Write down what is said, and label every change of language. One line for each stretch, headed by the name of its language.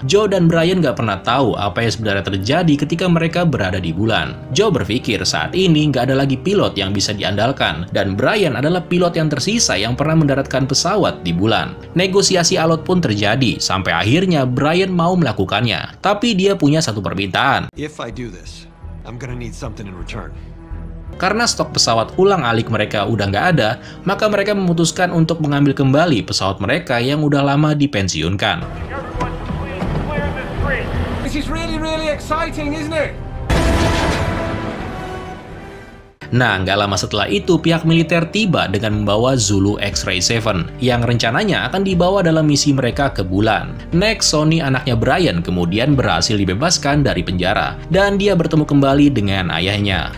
Indonesian: Joe dan Brian gak pernah tahu apa yang sebenarnya terjadi ketika mereka berada di bulan. Joe berpikir saat ini gak ada lagi pilot yang bisa diandalkan, dan Brian adalah pilot yang tersisa yang pernah mendaratkan pesawat di bulan. Negosiasi alot pun terjadi, sampai akhirnya Brian mau melakukannya. Tapi dia punya satu permintaan.
English: If I do this, I'm gonna need something in return.
Indonesian: Karena stok pesawat ulang-alik mereka udah nggak ada, maka mereka memutuskan untuk mengambil kembali pesawat mereka yang udah lama dipensiunkan.
English: This is really, really exciting, isn't it?
Indonesian: Nah, nggak lama setelah itu, pihak militer tiba dengan membawa Zulu X-Ray 7, yang rencananya akan dibawa dalam misi mereka ke bulan. Next, Sonny, anaknya Brian, kemudian berhasil dibebaskan dari penjara, dan dia bertemu kembali dengan ayahnya.